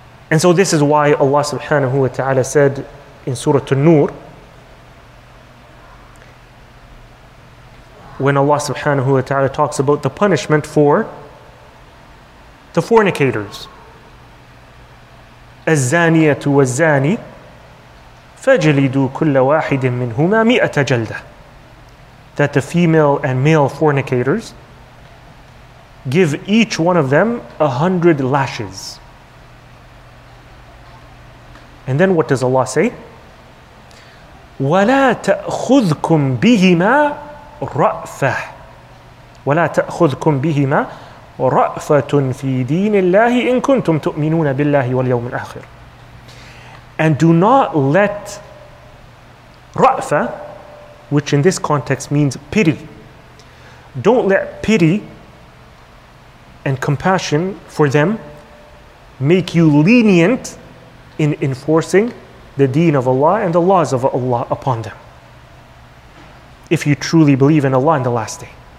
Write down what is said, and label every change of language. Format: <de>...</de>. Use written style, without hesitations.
<en>And so this is why Allah subhanahu wa ta'ala said in Surah An-Nur, when Allah subhanahu wa ta'ala talks about the punishment for the fornicators,</en> <ar>الزانيه والزاني فجلدوا كل واحد منهما 100 جلده,</ar> <en>that the female and male fornicators, give each one of them 100 lashes. And then what does Allah say?</en> <ar>ولا تأخذكم بهما رأفة, ولا تأخذكم بهما رأفة في دين الله إن كنتم تؤمنون بالله واليوم الآخر.</ar> <en>And do not let رأفة, which in this context means pity, don't let pity and compassion for them make you lenient in enforcing the deen of Allah and the laws of Allah upon them, if you truly believe in Allah in the last day.</en>